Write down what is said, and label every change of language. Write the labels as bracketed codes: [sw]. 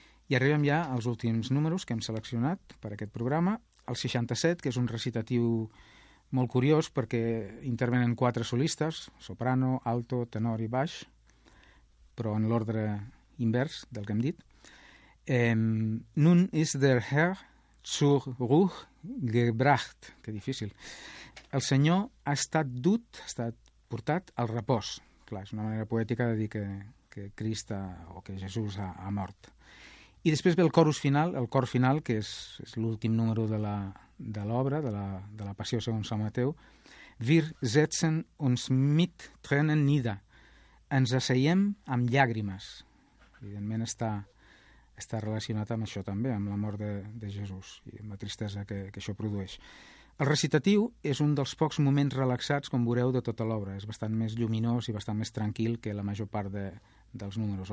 [ca] I arribem ja als últims números que hem seleccionat per aquest programa, el 67, que és un recitatiu molt curiós perquè intervenen quatre solistes, soprano, alto, tenor i baix, però en l'ordre invers del que hem dit. [de] Nun ist der Herr zur Ruhe gebracht. [ca] Que difícil. El Senyor ha estat dut, ha estat portat al repòs. Clar, és una manera poètica de dir que Crist o que Jesús ha mort. I després ve el corus final, el cor final, que és l'últim número de l'obra, de la Passió segons Sant Mateu. [de] Wir setzen uns mit Tränen nieder. [ca] Ens asseiem amb llàgrimes. Evidentment està relacionat amb això també, amb la mort de Jesús i amb la tristesa que això produeix. El recitatiu és un dels pocs moments relaxats, com veureu, de tota l'obra. És bastant més lluminós i bastant més tranquil que la major part dels números.